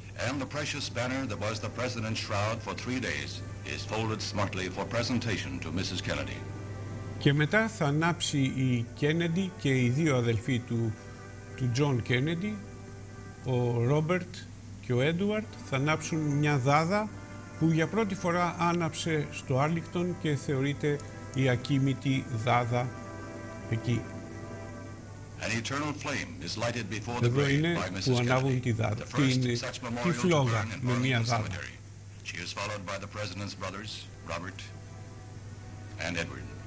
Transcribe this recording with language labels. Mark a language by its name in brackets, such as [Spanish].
[English] And the precious banner that was the president's shroud for three days is folded smartly for presentation to Mrs. Kennedy. [Greek] Και μετά θα ανάψει η Kennedy και οι δύο αδελφοί του John Kennedy, ο Robert και ο Edward, θα ανάψουν μια δάδα που για πρώτη φορά άναψε στο Arlington και θεωρείται η ακίμητη δάδα εκεί. [English] An eternal flame is lighted before the grave by Mrs. Kennedy, the first such memorial to burn in Burlington Cemetery. She is followed by the President's brothers, Robert and Edward.